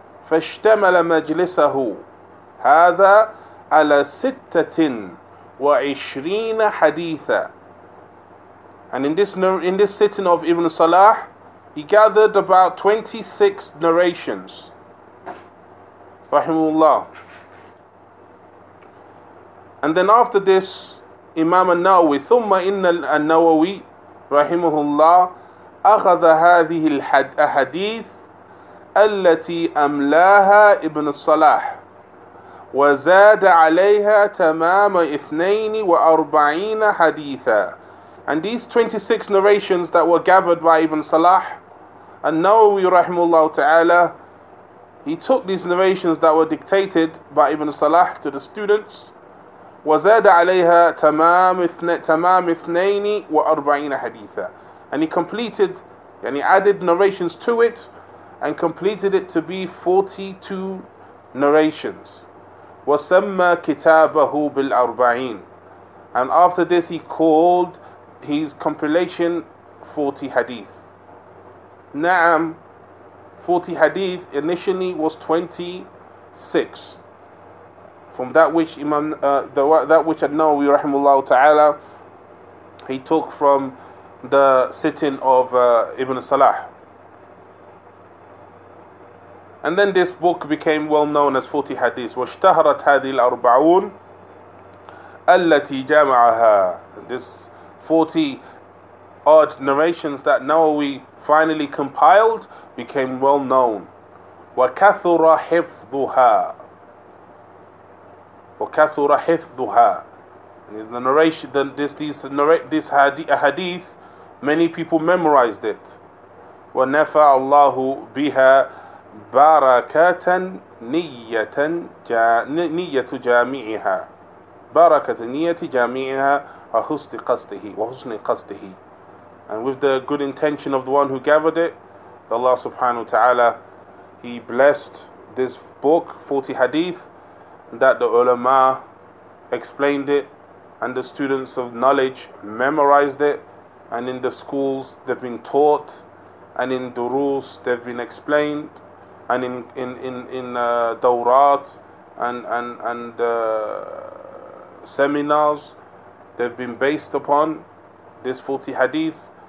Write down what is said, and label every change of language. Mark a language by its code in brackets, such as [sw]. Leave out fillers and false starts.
[ar] فَاشْتَمَلَ مَجْلِسَهُ هَذَا عَلَى سِتَّةٍ وَعِشْرِينَ حَدِيثًا. [en] And in this sitting of Ibn Salah, he gathered about 26 narrations. [ar] Rahimullah. [en] And then after this, [ar] Imam An-Nawawi, ثُمَّ إِنَّ النَّوَوِي rahimahullah, أخذ هذه الأحاديث التي أملاها ابن الصلاح وزاد عليها تمام 42 حديثا. [en] And these 26 narrations that were gathered by Ibn Salah, An-Nawawi rahimahullah ta'ala, he took these narrations that were dictated by Ibn Salah to the students, [ar] وزاد عليها تمام اثنين وأربعين حديثا. [en] And he completed, and he added narrations to it, and completed it to be 42 narrations. [ar] وسمى كتابه بالأربعين. [en] And after this, he called his compilation 40 hadith. [ar] نعم, [en] 40 hadith initially was 26. From that which Imam An-Nawawi rahimahullah ta'ala, he took from the sitting of Ibn Salah. And then this book became well known as 40 hadith. [ar] واشتهرت هذه الأربعون التي جمعها. [en] This 40 odd narrations that Nawawi finally compiled became well known. [ar] وكثر حفظها. وكثر حفظها. [en] And is the narration, this hadith, many people memorized it. [ar] ونفع الله بها بركة نية جامعها. بركة نية جامعها وحسن قصده. وحسن قصده. [en] And with the good intention of the one who gathered it, Allah subhanahu wa ta'ala, he blessed this book, 40 hadith, that the ulama explained it, and the students of knowledge memorized it, and in the schools they've been taught, and in durus they've been explained, and in dawrat and seminars they've been based upon this 40 hadith.